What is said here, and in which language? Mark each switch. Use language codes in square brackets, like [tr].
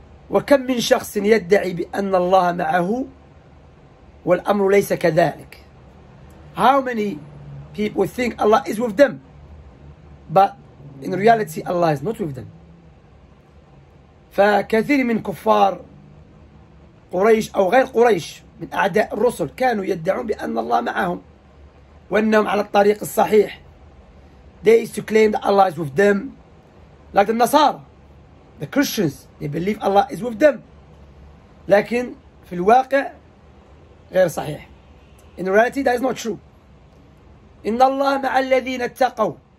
[ar] وكم من شخص يدعي بأن الله معه والأمر ليس كذلك. [en] How many people think Allah is with them, but in reality Allah is not with them. [ar] فكثير من كفار قريش أو غير قريش من أعداء الرسل كانوا يدعون بأن الله معهم وأنهم على الطريق الصحيح. [en] They used to claim that Allah is with them, like the Nasara, the Christians, they believe Allah is with them. [ar] لكن في الواقع غير صحيح. [en] In reality, that is not true. [ar] إن الله مع الذين اتقوا.